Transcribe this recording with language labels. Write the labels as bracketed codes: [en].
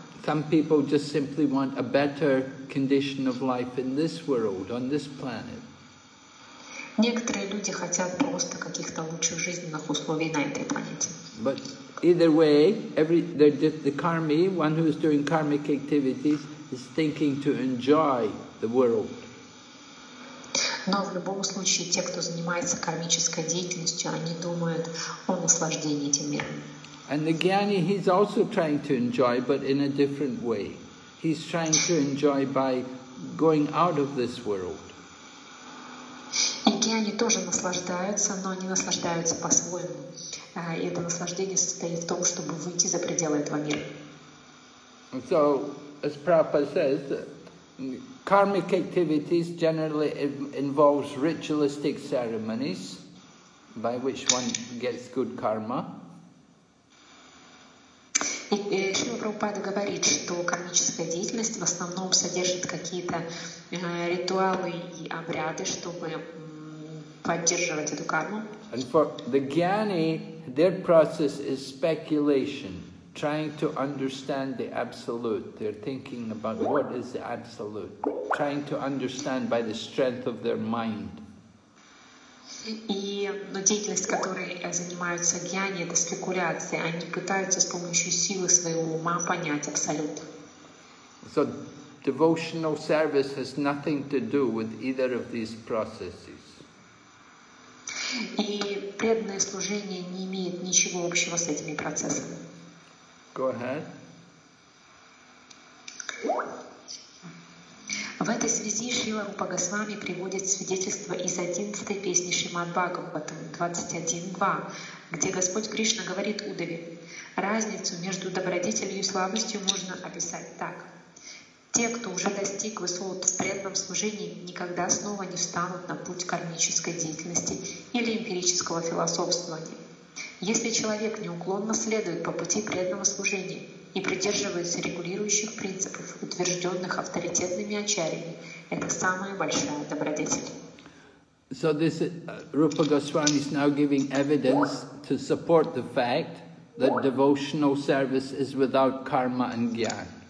[en] Some people just simply want a better condition of life in this world, on this planet. [ru] Некоторые люди хотят просто каких-то лучших жизненных условий на этой планете. [en] But either way, the karmi, one who is doing karmic activities, is thinking to enjoy the world. [ru] Но в любом случае, те, кто занимается кармической деятельностью, они думают о наслаждении этим миром. [en] And the Gyani, he's also trying to enjoy, but in a different way. He's trying to enjoy by going out of this world. [ru] И Гьяни тоже наслаждаются, но они наслаждаются по-своему. И это наслаждение состоит в том, чтобы выйти за пределы этого мира. [en] So, as Prabhupada says, karmic activities generally involves ritualistic ceremonies by which one gets good karma. [ru] И Шрила Прабхупада говорит, что кармическая деятельность в основном содержит какие-то ритуалы и обряды, чтобы поддерживать эту карму. [en] And for the Gyani, their process is speculation, trying to understand the absolute. They're thinking about what is the absolute, trying to understand by the strength of their mind. [ru] И деятельность, которой занимаются гьяни, это спекуляции. Они пытаются с помощью силы своего ума понять абсолют. [en] So, devotional service has nothing to do with either of these processes. [ru] И преданное служение не имеет ничего общего с этими процессами. [en] Go ahead. [ru] В этой связи Шрила Рупа Госвами приводит свидетельство из 11-й песни Шримад-Бхагаватам 21.2, где Господь Кришна говорит Удаве: «Разницу между добродетелью и слабостью можно описать так. Те, кто уже достиг высот в преданном служении, никогда снова не встанут на путь кармической деятельности или эмпирического философствования. Если человек неуклонно следует по пути преданного служения и придерживается регулирующих принципов, утвержденных авторитетными ачарьями, это самая большая добродетель». [en] So this Rupa Goswami is now giving evidence to support the fact that devotional service is without karma and jnana.